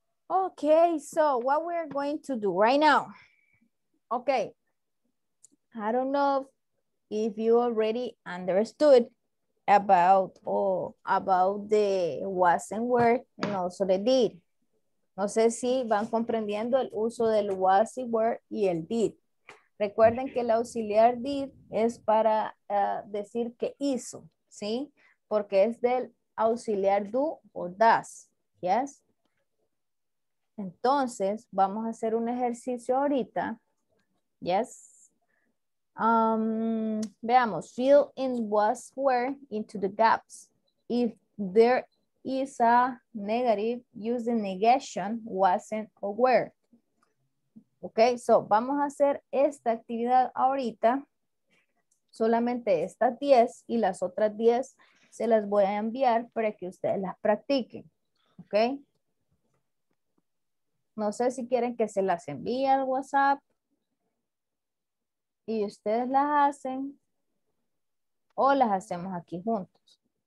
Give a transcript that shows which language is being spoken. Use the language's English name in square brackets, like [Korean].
[English] Okay, so what we're going to do right now. Okay. I don't know if you already understood about the was and were and also the did. [Spanish] No sé si van comprendiendo el uso del was y were y el did. Recuerden que el auxiliar did es para decir que hizo, ¿sí? Porque es del auxiliar do o does, [English] ¿yes? [Spanish] Entonces, vamos a hacer un ejercicio ahorita. [English] Yes. [Spanish] Veamos. [English] Fill in was, were into the gaps. If there is a negative, use the negation, wasn't or were. Okay, so [Spanish] vamos a hacer esta actividad ahorita. Solamente estas 10 y las otras 10 se las voy a enviar para que ustedes las practiquen. Okay. No sé si quieren que se las envíe al WhatsApp y ustedes las hacen o las hacemos aquí juntos.